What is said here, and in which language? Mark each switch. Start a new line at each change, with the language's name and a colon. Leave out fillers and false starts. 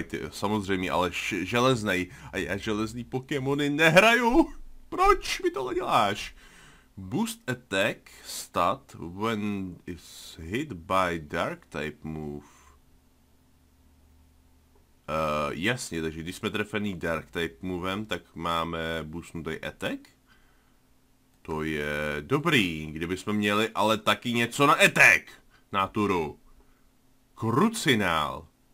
Czech: Samozřejmě, ale železnej. A já železný pokémony nehraju. Proč mi tohle děláš?
English: Boost attack stat when is hit by dark type move.
Czech: Jasně, takže když jsme trefený dark type movem, tak máme boostnutý attack. To je dobrý, kdybychom měli ale taky něco na attack. Naturu. Krucinál.